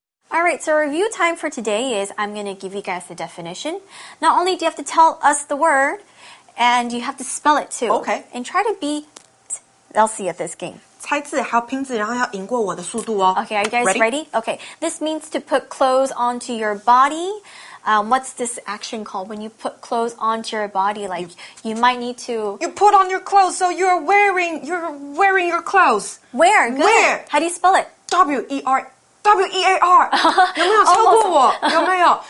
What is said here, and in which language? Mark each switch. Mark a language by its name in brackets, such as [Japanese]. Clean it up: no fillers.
[English] All right, so review time for today is I'm going to give you guys the definition. Not only do you have to tell us the word, and you have to spell it too. Okay. And try to beat Elsie at this game. [Chinese] 猜字还要拼字，然后要赢过我的速度哦。 [English] Okay, are you guys ready? Okay, this means to put clothes onto your body. What's this action called when you put clothes onto your body? Like you might need to. You put on your clothes, so you're wearing your clothes. Wear, good. Wear. How do you spell it? W-E-A-R. [Chinese] 有没有超过我？有没有？